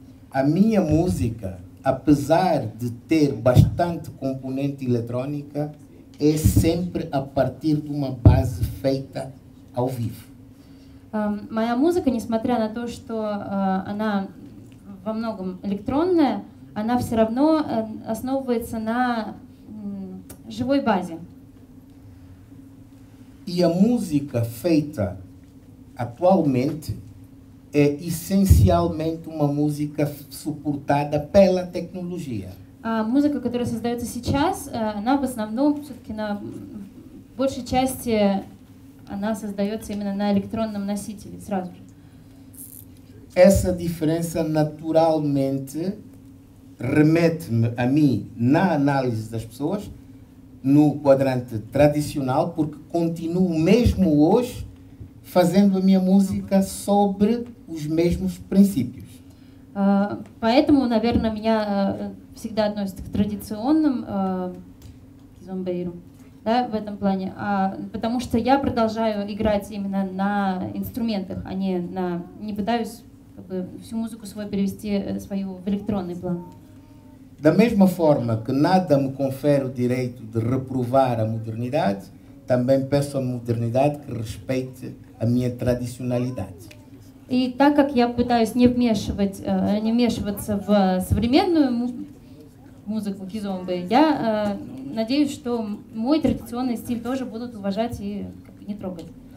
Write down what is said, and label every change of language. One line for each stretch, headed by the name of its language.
Portuguese: A minha música, apesar de ter bastante componente eletrónica, é sempre a partir de uma base feita ao vivo.
Russian: Моя музыка, несмотря на то, что она во многом электронная, она все равно основывается на живой базе.
Portuguese: E a música feita atualmente é essencialmente uma música suportada pela tecnologia. A música que está sendo feita
Russian: сейчас, она в основном все-таки на большей части она создается именно на электронном носителе сразу же.
Portuguese: Essa diferença naturalmente remete-me a mim na análise das pessoas no quadrante tradicional, porque continuo mesmo hoje fazendo a minha música sobre os mesmos princípios.
Russian: Поэтому, наверное, меня всегда относят к традиционным кизомбейру, да, в этом плане, потому что я продолжаю играть именно на инструментах, а не на не пытаюсь как бы всю музыку свою перевести свою в электронный план.
Portuguese: Da mesma forma que nada me confere o direito de reprovar a modernidade, também peço à modernidade que respeite a minha tradicionalidade.
Russian: E, так как я пытаюсь не вмешивать, не вмешиваться в современную музыку кизомбы, я надеюсь, что мой традиционный стиль тоже будут уважать и не трогать.